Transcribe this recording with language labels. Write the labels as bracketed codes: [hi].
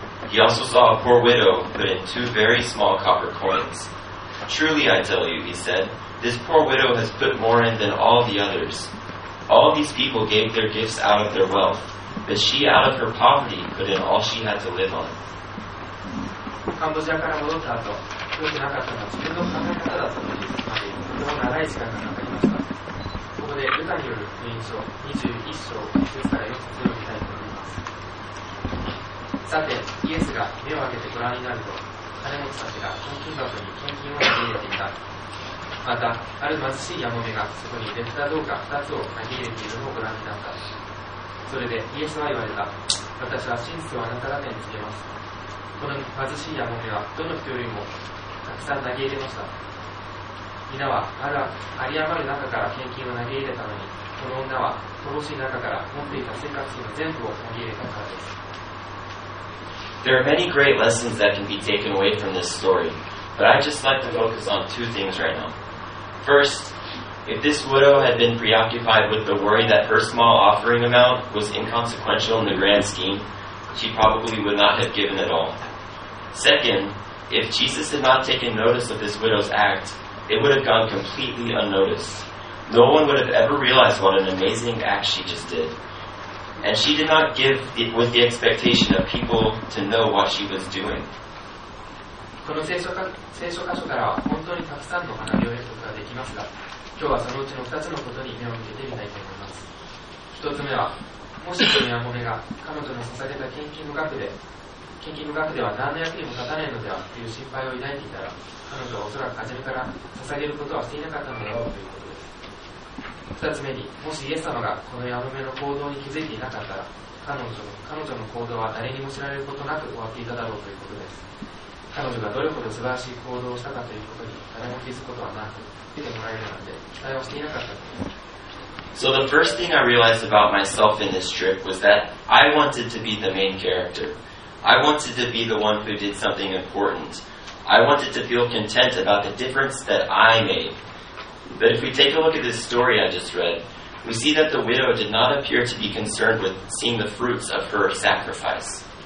[en] He also saw a poor widow put in two very small copper coins. Truly, I tell you, he said, this poor widow has put more in than all the others. All these people gave their gifts out of their wealth, but she out of her poverty put in all she had to live on. [ja] カンボジアから戻った後、良くなかったのは自分の考え方だったので、とても長い時間がかかりました。ここで、ルカによる福音書21章1節から4節を読みたいと思います。さて、イエスが目を開けてご覧になると、金持ちたちが献金箱に献金を投げ入れていた。また、ある貧しいヤモメがそこに出札どうか2つを投げ入れているのをご覧になった。それでイエスは言われた。私は真実をあなた方につけます。この貧しいヤモメはどの人よりもたくさん投げ入れました。皆は有り余る中から献金を投げ入れたのに、この女は乏しい中から持っていた生活費の全部を投げ入れたからです。 [en] There are many great lessons that can be taken away from this story, but I'd just like to focus on two things right now. First, if this widow had been preoccupied with the worry that her small offering amount was inconsequential in the grand scheme, she probably would not have given at all. Second, if Jesus had not taken notice of this widow's act, it would have gone completely unnoticed. No one would have ever realized what an amazing act she just did. And she did not give with the expectation of people to know what she was doing. [ja] この聖書箇所からは本当にたくさんの学びを得ることができますが、今日はそのうちの2つのことに目を向けてみたいと思います。 1つ目は、もしこのヤモメが彼女の捧げた献金の額で、研究部学では何の役にも立たないのではという心配を抱いていたら、彼女はおそらく初めから捧げることはしていなかったのだろうということです。二つ目に、もしイエス様がこのヤノメの行動に気づいていなかったら、彼女の行動は誰にも知られることなく終わっていただろうということです。彼女がどれほど素晴らしい行動をしたかということに誰も気づくことはなく、見てもらえるなんて期待はしていなかったと。 [en] So the first thing I realized about myself in this trip was that I wanted to be the main character. I wanted to be the one who did something important. I wanted to feel content about the difference that I made. But if we take a look at this story I just read, we see that the widow did not appear to be concerned with seeing the fruits of her sacrifice.